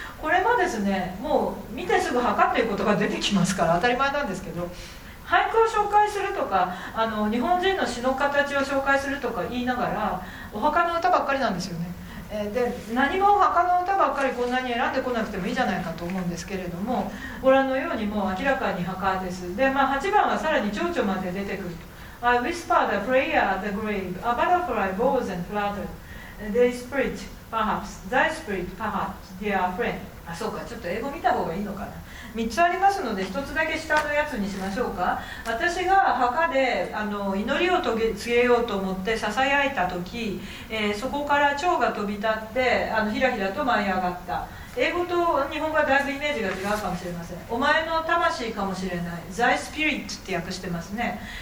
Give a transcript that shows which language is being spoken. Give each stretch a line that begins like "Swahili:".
Japanese: これはですね、もう見てすぐ墓っていうことが出てきますから当たり前なんですけど、俳句を紹介するとか日本人の詩の形を紹介するとか言いながらお墓の歌ばっかりなんですよね。で何も墓の歌ばっかりこんなに選んでこなくてもいいじゃないかと思うんですけれども、ご覧のようにもう明らかに墓です。で、まあ、8番はさらに蝶々まで出てくると。
English: I whisper the prayer at the grave, a butterfly bows and flutters, their spirit perhaps, thy spirit perhaps, dear friend。
Japanese: あ、そうか、ちょっと英語見た方がいいのかな。3つありますので1つだけ下のやつにしましょうか。私が墓で祈りを告げようと思ってささやいた時、そこから蝶が飛び立ってひらひらと舞い上がった。英語と日本語はだいぶイメージが違うかもしれません。お前の魂かもしれない、
English: Thy spirit
Japanese: って訳してますね。